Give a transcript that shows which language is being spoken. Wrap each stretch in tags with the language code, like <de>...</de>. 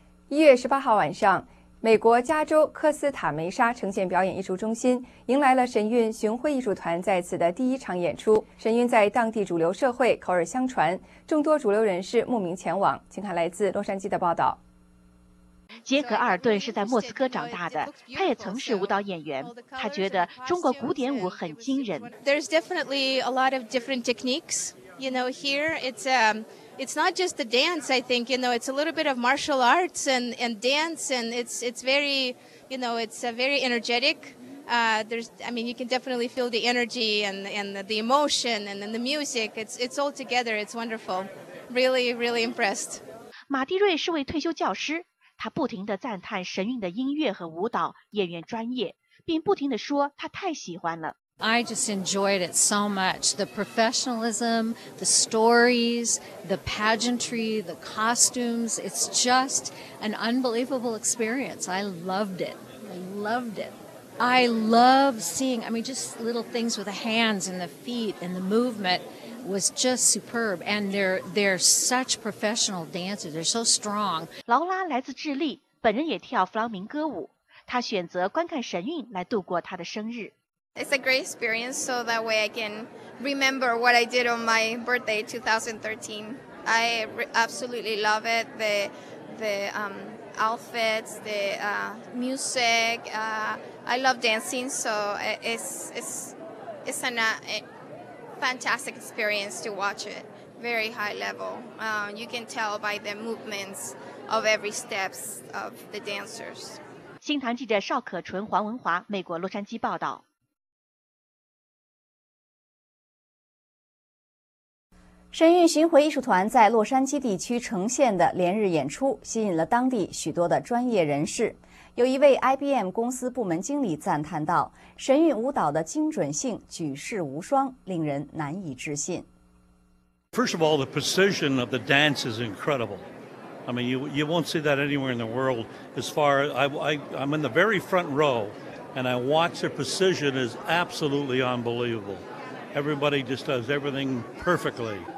<zh>1月18号晚上，美国加州科斯塔梅沙呈现表演艺术中心迎来了神韵巡回艺术团在此的第一场演出。神韵在当地主流社会口耳相传，众多主流人士慕名前往。请看来自洛杉矶的报道。杰克·阿尔顿是在莫斯科长大的，他也曾是舞蹈演员。他觉得中国古典舞很惊人。</zh> <en>There's definitely a lot of different techniques, you know. Here, It's not just the dance, I think, you know, it's a little bit of martial arts and dance, and it's very, you know, it's very energetic. You can definitely feel the energy and the emotion and then the music. It's all together. It's wonderful. Really, really impressed.</en> <zh>马蒂瑞是位退休教师，他不停地赞叹神韵的音乐和舞蹈，演员专业，并不停地说他太喜欢了。</zh> <en>I just enjoyed it so much. The professionalism, the stories, the pageantry, the costumes. It's just an unbelievable experience. I loved it. I loved it. I love seeing, just little things with the hands and the feet and the movement was just superb. And they're such professional dancers. They're so strong.</en> <zh>劳拉来自智利，本人也跳弗朗明哥舞。她选择观看神韵来度过她的生日。</zh> <en>It's a great experience, so that way I can remember what I did on my birthday, 2013. I absolutely love it. The outfits, the music. I love dancing, so it's a fantastic experience to watch it. Very high level. You can tell by the movements of every steps of the dancers.</en> <zh>新唐记者邵可纯、黄文华，美国洛杉矶报道。神韵巡回艺术团在洛杉矶地区呈现的连日演出吸引了当地许多的专业人士。有一位 IBM 公司部门经理赞叹道，神韵舞蹈的精准性举世无双，令人难以置信。</zh> <en>First of all, the precision of the dance is incredible. I mean, you won't see that anywhere in the world. As far as I'm in the very front row, and I watch the precision is absolutely unbelievable. Everybody just does everything perfectly.</en>